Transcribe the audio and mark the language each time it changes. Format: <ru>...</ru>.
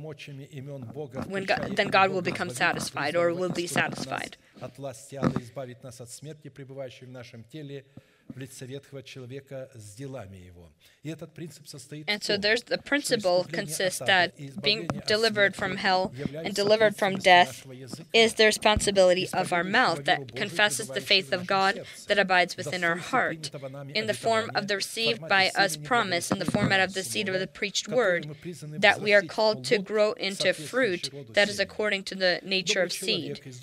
<en>When God, then God will become satisfied, or will be satisfied.</en> <ru>От власти ада избавить нас от смерти, пребывающей в нашем теле, в лице ветхого человека с делами его. И этот принцип состоит</ru> <en>And so there's the principle consists that being delivered from hell and delivered from death is the responsibility of our mouth that confesses the faith of God that abides within our heart in the form of the received by us promise, in the format of the seed of the preached word, that we are called to grow into fruit that is according to the nature of seed.</en>